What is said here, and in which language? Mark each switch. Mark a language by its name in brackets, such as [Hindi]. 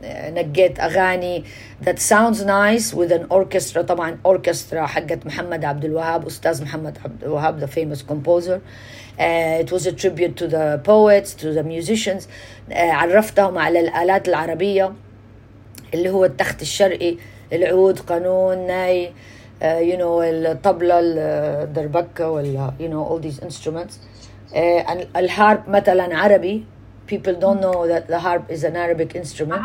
[Arabic] نقيت أغاني [English] that sounds nice with an orchestra, [Arabic] طبعا orchestra حقت محمد عبد الوهاب, أستاذ محمد عبد الوهاب, [English] the famous composer. It was a tribute to the poets, to the musicians. [Arabic] عرفتهم على الآلات العربية اللي هو التخت الشرقي, العود, قانون, ناي, الطبلة, الدربكة, [English] all these instruments. [Arabic] And الهارب مثلا عربي. [English] People don't know that the harp is an Arabic instrument.